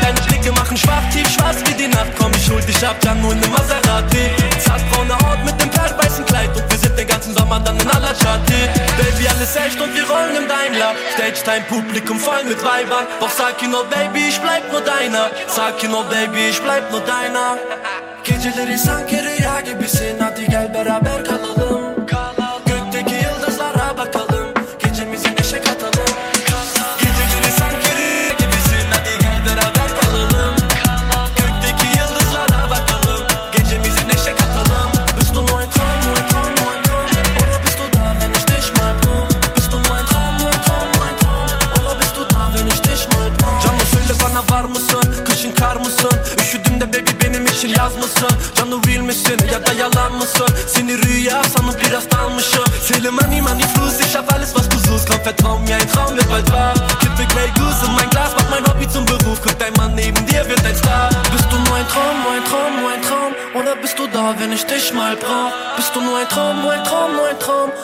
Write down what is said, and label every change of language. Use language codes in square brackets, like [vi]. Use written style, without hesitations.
[de] Deine Blicke machen schwach, tief, schwarz wie die Nacht. Komm, ich hol dich ab, Janu, in ne Maserati. Zartbrauner Haut mit dem perlweißen Kleid. Und wir sind den ganzen Sommer dann in aller Chatti. Baby, alles echt und wir rollen im Daimler. Stage Time, Publikum voll mit Weibern. Doch sag ihr nur, Baby, ich bleib nur deiner. Sag ihr nur, Baby, ich bleib nur deiner. [tr] Geceleri sanki rüya gibisin, hadi gel beraber kalalım. Gökteki yıldızlara bakalım, gecemizi neşe katalım. Geceleri sanki rüya gibisin, hadi gel beraber kalalım. Gökteki yıldızlara bakalım, gecemizi neşe katalım. [de] Bist du mein Traum, mein Traum, mein Traum. Oder bist du da, wenn ich dich mal traum. Bist du mein Traum, mein Traum, mein Traum. Oder bist du da, wenn ich dich mal traum. [tr] Canım söyle bana var mısın, kışın kar mısın? Üşüdüm de baby benim için yaz mısın? Canım real misin ya da yalan mısın? Seni rüya sanıp biraz dalmışım. [de] Seyle money money fluss, ich hab alles was du suchst. Komm vertrau mir, ein Traum wird bald wahr. Gib mir Grey Goose in mein Glas, mach mein Hobby zum Beruf. Guck, dein Mann neben dir wird ein Star. Bist du nur ein Traum, nur ein Traum, nur ein Traum? Oder bist du da, wenn ich dich mal brauch? Bist du nur ein Traum, nur ein Traum, nur ein Traum?